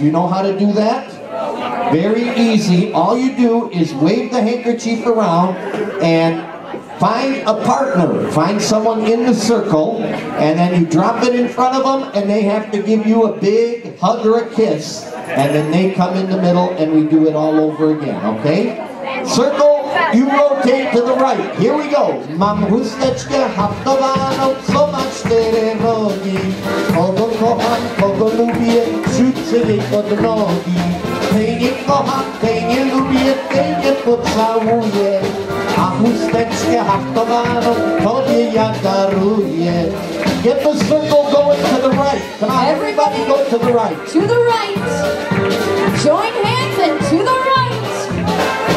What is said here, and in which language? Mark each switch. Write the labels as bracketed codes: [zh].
[en] You know how to do that? Very easy. All you do is wave the handkerchief around and find a partner. Find someone in the circle, and then you drop it in front of them, and they have to give you a big hug or a kiss, and then they come in the middle, and we do it all over again, okay? Circle, you rotate to the right. Here we go. [pl] Mam chusteczkę haftową, no co ma cztery nogi. Kogo kocham, kogo lubię, rzucę jej pod nogi. Tej nie kocham, tej nie lubię, tej nie pocałuję. A chusteczkę haftową, no tobie ja daruję. [en] Get the circle going to the right. Come on, everybody go to the right. To the right. Join hands and to the right.